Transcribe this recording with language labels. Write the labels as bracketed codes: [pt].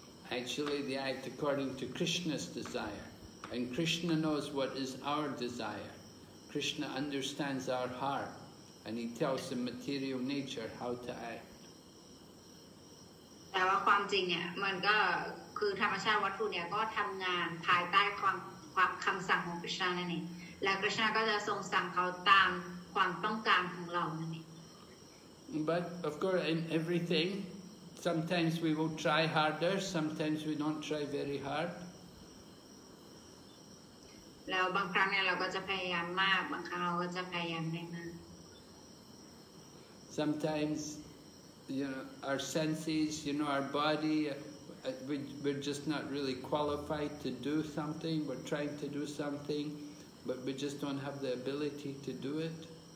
[en] Actually, they act according to Krishna's desire. And Krishna knows what is our desire. Krishna understands our heart, and he tells the material nature how to act. [th] แต่ว่าความจริงเนี่ยมันก็คือธรรมชาติวัตถุเนี่ยก็ทำงานภายใต้ความคำสั่งของกฤษณะนั่นเองและกฤษณะก็จะทรงสั่งเขาตามความต้องการของเรานั่นเอง [en] But of course in everything sometimes we will try harder sometimes we don't try very hard [th] แล้วบางครั้งเนี่ยเราก็จะพยายามมากบางครั้งเราก็จะพยายามไม่มาก [en] sometimesYou know, our senses, you know, our body, we're just not really qualified to do something. We're trying to do something, but we just don't have the ability to do it.